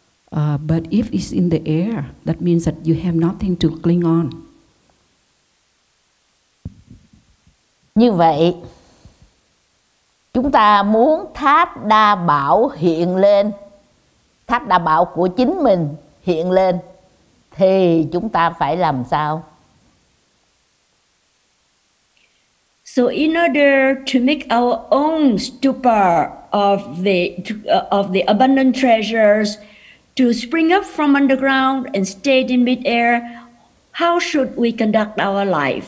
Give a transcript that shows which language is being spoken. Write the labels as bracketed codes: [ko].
[en] But if it's in the air, that means that you have nothing to cling on. [vi] Như vậy, chúng ta muốn tháp đa bảo hiện lên, tháp đa bảo của chính mình hiện lên, thì chúng ta phải làm sao? [en] So in order to make our own stupa of the abundant treasures to spring up from underground and stay in mid-air, how should we conduct our life?